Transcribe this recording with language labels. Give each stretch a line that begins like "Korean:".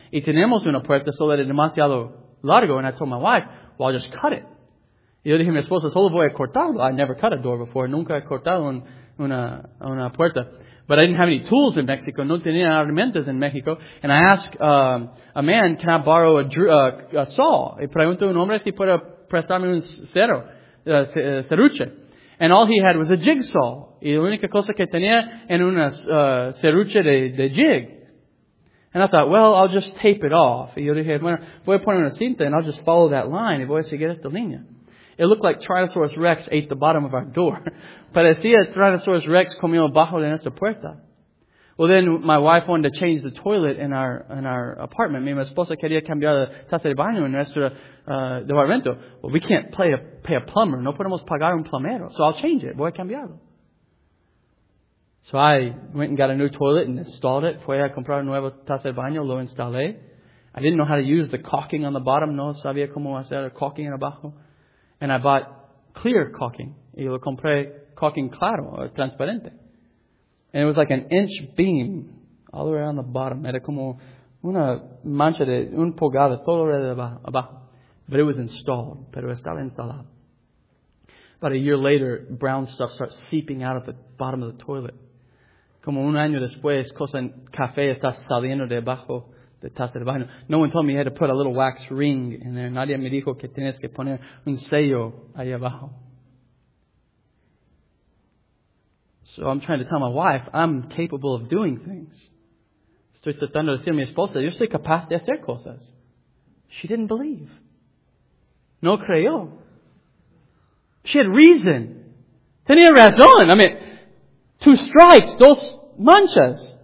Spanish: Y tenemos una puerta, solo era demasiado largo.
English: And I told my wife, well, I'll just cut it.
Spanish: Y yo dije a mi esposa, solo voy a cortarlo.
English: I never cut a door before.
Spanish: Nunca he cortado una puerta.
English: But I didn't have any tools in Mexico.
Spanish: No tenía herramientas en Mexico.
English: And I asked a man, can I borrow a saw?
Spanish: Y pregunto a un hombre si puede prestarme un cerro, serruche.
English: And all he had was a jigsaw.
Spanish: Y la única cosa que tenía era una serruche de jig.
English: And I thought, well, I'll just tape it off.
Spanish: Y yo dije, bueno, voy a poner una cinta
English: and I'll just follow that line
Spanish: y voy a seguir esta línea.
English: It looked like Tyrannosaurus Rex ate the bottom of our door.
Spanish: Parecía Tyrannosaurus Rex comió bajo de nuestra puerta.
English: Well, then my wife wanted to change the toilet in our apartment.
Spanish: Mi esposa quería cambiar la taza de baño en nuestro departamento.
English: Well, we can't pay a plumber.
Spanish: No podemos pagar un plomero.
English: So I'll change it.
Spanish: Voy a cambiarlo.
English: So I went and got a new toilet and installed it.
Spanish: Fui a comprar un nuevo taza de baño. Lo instalé.
English: I didn't know how to use the caulking on the bottom.
Spanish: No sabía cómo hacer el caulking en abajo.
English: And I bought clear caulking.
Spanish: Y lo compré caulking claro, transparente.
English: And it was like an inch beam all the way around the bottom.
Spanish: Era como una mancha de un pulgada todo alrededor de abajo.
English: But it was installed.
Spanish: Pero estaba instalado.
English: About a year later, brown stuff starts seeping out of the bottom of the toilet.
Spanish: Como un año después, cosa en café está saliendo de abajo de taza de baño.
English: No one told me you had to put a little wax ring in there.
Spanish: Nadie me dijo que tienes que poner un sello ahí abajo.
English: So I'm trying to tell my wife, I'm capable of doing things.
Spanish: Estoy tratando de decir a mi esposa, yo soy capaz de hacer cosas.
English: She didn't believe.
Spanish: No creyó.
English: She had reason.
Spanish: Tenía razón.
English: I mean, two strikes,
Spanish: dos manchas.